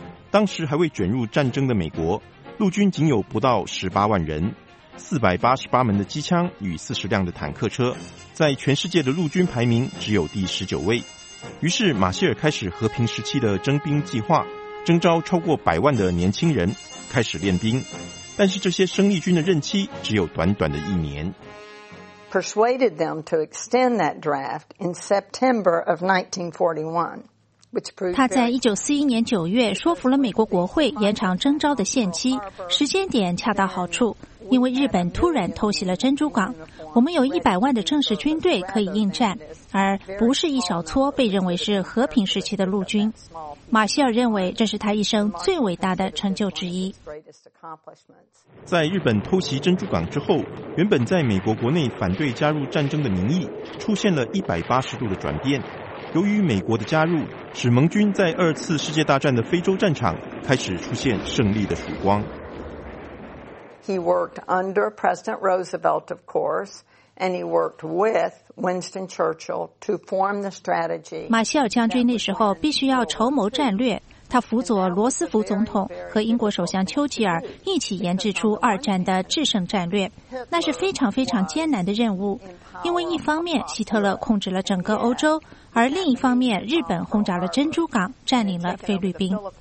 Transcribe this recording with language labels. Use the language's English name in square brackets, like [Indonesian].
[Chinese] 当时还未卷入战争的美国，陆军仅有不到18万人，488门的机枪与40辆的坦克车，在全世界的陆军排名只有第19位。于是马歇尔开始和平时期的征兵计划，征召超过100万的年轻人开始练兵。但是这些生力军的任期只有短短的一年。 [English] Persuaded them to extend that draft in September of 1941, which proved. [Chinese] 他在1941年9月说服了美国国会延长征召的限期，时间点恰到好处，因为日本突然偷袭了珍珠港，我们有100万的正式军队可以应战，而不是一小撮被认为是和平时期的陆军。马歇尔认为这是他一生最伟大的成就之一。在日本偷袭珍珠港之后，原本在美国国内反对加入战争的民意出现了180度的转变。由于美国的加入，使盟军在二次世界大战的非洲战场开始出现胜利的曙光。 [English] He worked under President Roosevelt, of course, and he worked with Winston Churchill to form the strategy. [Chinese] 马歇尔将军那时候必须要筹谋战略，他辅佐罗斯福总统和英国首相丘吉尔一起研制出二战的制胜战略。那是非常非常艰难的任务，因为一方面希特勒控制了整个欧洲，而另一方面日本轰炸了珍珠港，占领了菲律宾。